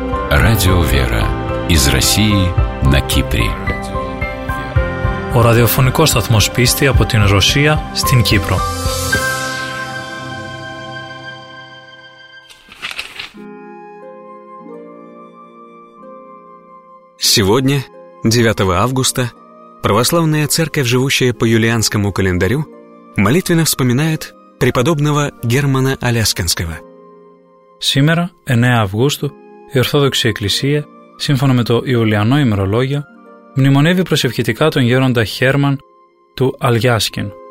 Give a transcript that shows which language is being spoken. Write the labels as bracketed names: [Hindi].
[Russian] Радио «Вера» из России на Кипре. [Greek] Ο ραδιοφωνικός σταθμός πίστη από την Ρωσία στην Κύπρο. [Russian] Сегодня, 9 августа, православная церковь, живущая по юлианскому календарю, молитвенно вспоминает преподобного Германа Алясканского. Сегодня, 9 августа, [Greek] η Ορθόδοξη Εκκλησία, σύμφωνα με το Ιουλιανό ημερολόγιο, μνημονεύει προσευχητικά τον γέροντα Χέρμαν του Αλιάσκιν.